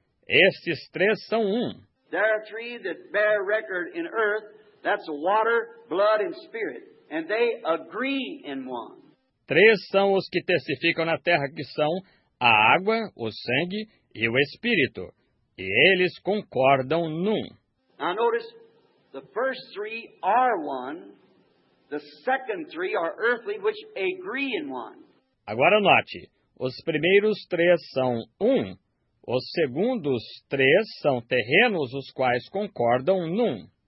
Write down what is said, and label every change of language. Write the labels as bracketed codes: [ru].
[pt] Estes três são um. [en] There are three that bear record in earth. That's water, blood, and spirit. And they agree in one. [pt] Três são os que testificam na terra, que são a água, o sangue e o espírito. E eles concordam num. [en] Now notice, the first three are one. The second three are earthly, which agree in one. [pt] Agora note, os primeiros três são um. Os segundos três são terrenos, os quais concordam num.